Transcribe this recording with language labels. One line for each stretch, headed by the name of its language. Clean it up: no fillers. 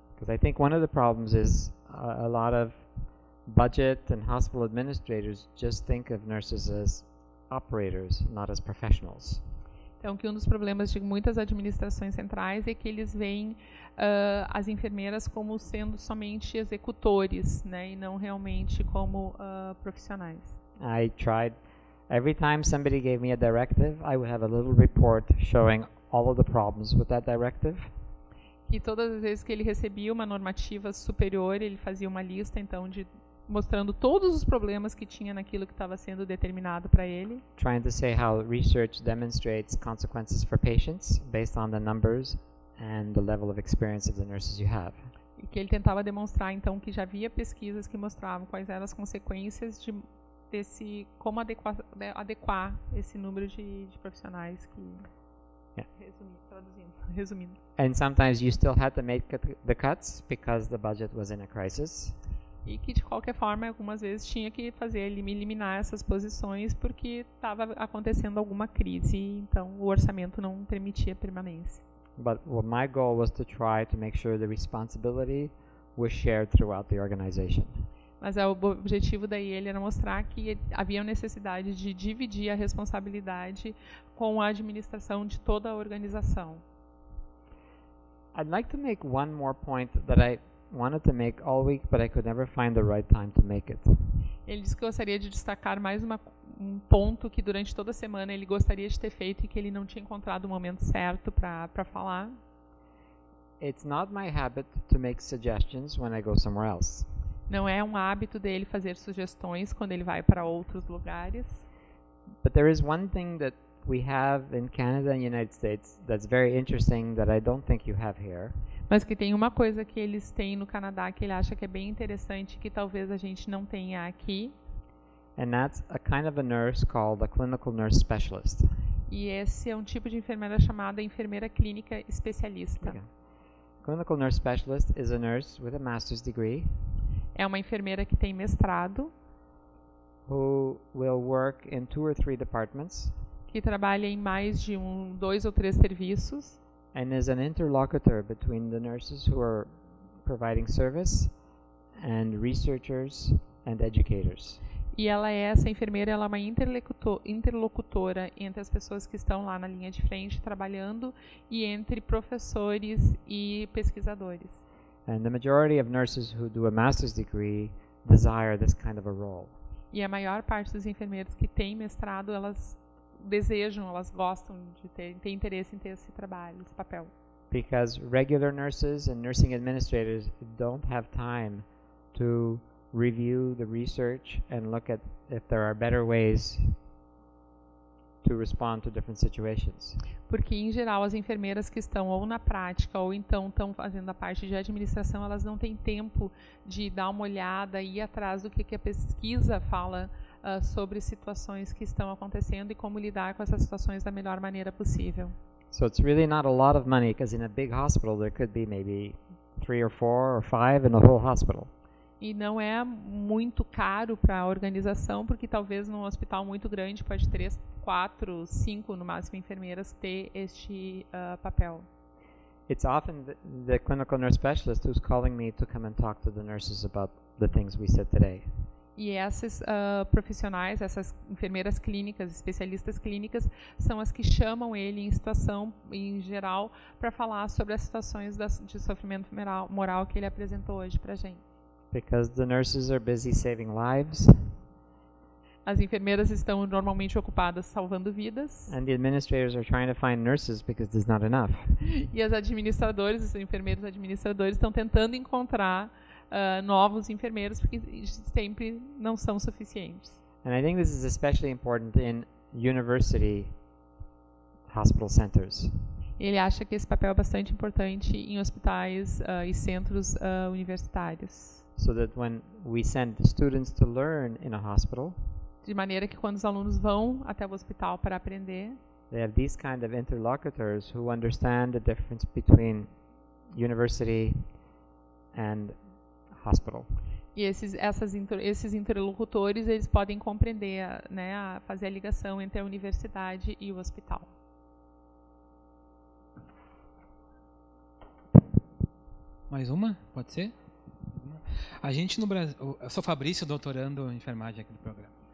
English: Because I think one of the problems is a lot of budget and hospital administrators just think of nurses as operators, not as professionals.
Portuguese: Então, que um dos problemas de muitas administrações centrais é que eles veem as enfermeiras como sendo somente executores, né, e não realmente como profissionais.
English: I tried. Every time somebody gave me a directive, I would have a little report showing all of the problems with that directive.
Portuguese: E todas as vezes que ele recebia uma normativa superior, ele fazia uma lista, então, de mostrando todos os problemas que tinha naquilo que estava sendo determinado para ele.
English: Trying to say how research demonstrates consequences for patients based on the numbers and the level of experience of the nurses you have.
Portuguese: E que ele tentava demonstrar, então, que já havia pesquisas que mostravam quais eram as consequências de desse, como adequar esse número de profissionais que, resumindo.
English: And sometimes you still had to make the cuts because the budget was in a crisis.
Portuguese: E que de qualquer forma algumas vezes tinha que fazer eliminar essas posições porque estava acontecendo alguma crise, então o orçamento não permitia permanência.
English: But my goal was to try to make sure the responsibility was shared throughout the organization.
Portuguese: Mas o objetivo daí ele era mostrar que havia necessidade de dividir a responsabilidade com a administração de toda a organização.
English: I'd like to make one more point that I wanted to make all week, but I could never find the right time to make it.
Portuguese: Ele disse que gostaria de destacar mais um ponto que durante toda a semana ele gostaria de ter feito e que ele não tinha encontrado o momento certo para falar.
English: It's not my habit to make suggestions when I go somewhere else.
Portuguese: Não é um hábito dele fazer sugestões quando ele vai para outros lugares.
English: But there is one thing that we have in Canada and United States that's very interesting that I don't think you have here.
Portuguese: Mas que tem uma coisa que eles têm no Canadá que ele acha que é bem interessante que talvez a gente não tenha aqui.
English: And that's a kind of a nurse called a clinical nurse specialist.
Portuguese: E esse é um tipo de enfermeira chamada enfermeira clínica especialista.
English: Okay. Clinical nurse specialist is a nurse with a master's degree.
Portuguese: É uma enfermeira que tem mestrado.
English: Who will work in 2 or 3 departments.
Portuguese: Que trabalha em mais de 2 ou 3 serviços.
English: And is an interlocutor between the nurses who are providing service and researchers and educators.
Portuguese: E ela é essa enfermeira, ela é uma interlocutora entre as pessoas que estão lá na linha de frente trabalhando e entre professores e pesquisadores.
English: And the majority of nurses who do a master's degree desire this kind of a role.
Portuguese: E a maior parte dos enfermeiros que têm mestrado, elas desejam, elas gostam de ter interesse em ter esse trabalho, esse papel.
English: Because regular nurses and nursing administrators don't have time to review the research and look at if there are better ways to respond to different situations.
Portuguese: Porque em geral as enfermeiras que estão ou na prática ou então estão fazendo a parte de administração, elas não têm tempo de dar uma olhada e ir atrás do que a pesquisa fala sobre situações que estão acontecendo e como lidar com essas situações da melhor maneira possível.
English: So it's really not a lot of money, because in a big hospital there could be maybe 3 or 4 or 5 in the whole hospital.
Portuguese: e não é muito caro para a organização, porque talvez num hospital muito grande pode ter 3, 4, 5 no máximo enfermeiras ter este papel.
English: It's often the clinical nurse specialist who's calling me to come and talk to the nurses about the things we said today.
Portuguese: E essas profissionais, essas enfermeiras clínicas, especialistas clínicas, são as que chamam ele em situação em geral para falar sobre as situações de sofrimento moral que ele apresentou hoje para a gente.
English: Because the nurses are busy saving lives.
Portuguese: As enfermeiras estão normalmente ocupadas salvando vidas.
English: And the administrators are trying to find nurses because there's not enough.
Portuguese: E as administradores, os enfermeiros administradores estão tentando encontrar novos enfermeiros porque sempre não são suficientes.
English: And I think this is especially important in university hospital centers.
Portuguese: Ele acha que esse papel é bastante importante em hospitais e centros universitários.
English: So that when we send students to learn in a hospital,
Portuguese: de maneira que quando os alunos vão até o hospital para aprender,
English: they have these kind of interlocutors who understand the difference between university and hospital.
Portuguese: E esses interlocutores, eles podem compreender, né, fazer a ligação entre a universidade e o hospital. Mais uma? Pode ser? A gente no Brasil, eu sou Fabrício, doutorando em enfermagem aqui do programa.